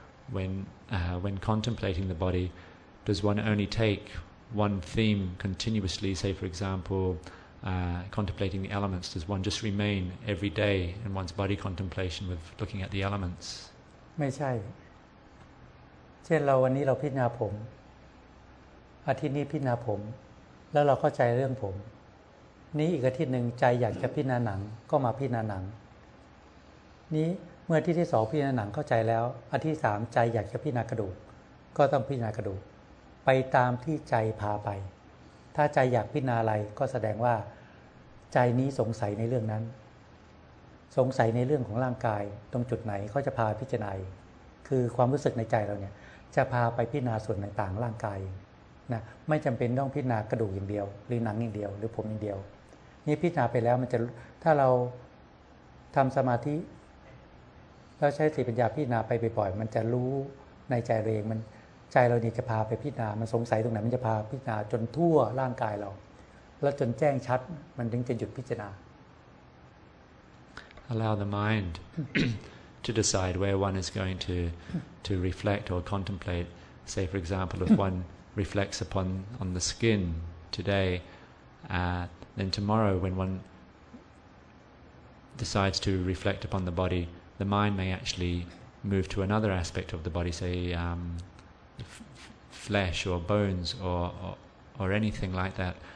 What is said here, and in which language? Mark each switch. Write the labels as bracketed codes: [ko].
[en] When contemplating the body, does one only take one theme continuously? Say, for example, contemplating the elements, does one just remain every day in one's body contemplation with looking at the elements? [th] ไม่ใช่เช่นเราวันนี้เราพิจารณาผมอาทิตย์นี้พิจารณาผมแล้วเราเข้าใจเรื่องผมนี้อีกอาทิตย์นึงใจอยากจะพิจารณาหนังก็มาพิจารณาหนังนี้เมื่ออาทิตย์ที่2พิจารณาหนังเข้าใจแล้วอาทิตย์3ใจอยากจะพิจารณากระดูกก็ต้องพิจารณากระดูกไปตามที่ใจพาไปถ้าใจอยากพิจารณาอะไรก็แสดงว่าใจนี้สงสัยในเรื่องนั้น สงสัยในเรื่องของร่างกายตรงจุดไหนเขาจะพาพิจารณาคือความรู้สึกในใจเราเนี่ยจะพาไปพิจารณาส่วนต่างๆร่างกายนะไม่จำเป็นต้องพิจารณากระดูกอย่างเดียวหรือหนังอย่างเดียวหรือผมอย่างเดียวนี่พิจารณาไปแล้วมันจะถ้าเราทำสมาธิแล้วใช้สติปัญญาพิจารณาไปบ่อยๆมันจะรู้ในใจเองมันใจเราเนี่ยจะพาไปพิจารณามันสงสัยตรงไหนมันจะพาพิจารณาจนทั่วร่างกายเราแล้วจนแจ้งชัดมันถึงจะหยุดพิจารณา [en] Allow the mind to decide where one is going to reflect or contemplate. Say, for example, if one reflects upon the skin today, then tomorrow when one decides to reflect upon the body, the mind may actually move to another aspect of the body, say flesh or bones or anything like that.